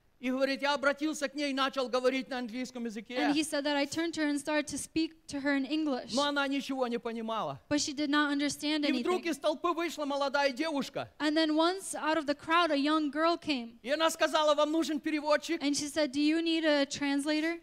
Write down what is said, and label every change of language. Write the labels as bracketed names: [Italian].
[Russian] И говорит, я обратился к ней и начал говорить на английском языке. [English] And he said that I turned to her and started to speak to her in English. [Russian] Но она ничего не понимала. [English] But she did not understand anything. [Russian] И вдруг из толпы вышла молодая девушка. [English] And then once out of the crowd a young girl came. [Russian] И она сказала, вам нужен переводчик? [English] And she said, do you need a translator?